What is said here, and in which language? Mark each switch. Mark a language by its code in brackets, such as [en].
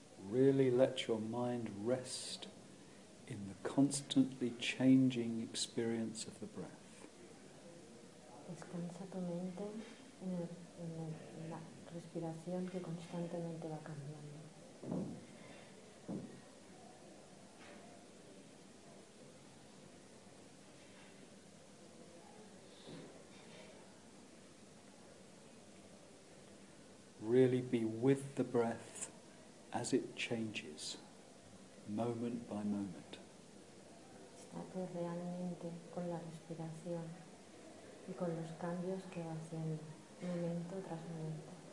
[en] Really let your mind rest in the constantly changing experience of the breath. [es] Descansa tu mente en la respiración que constantemente va cambiando. [en] Really be with the breath as it changes, moment by moment. [es] Estate realmente con la respiración y con los cambios que va haciendo, momento tras momento.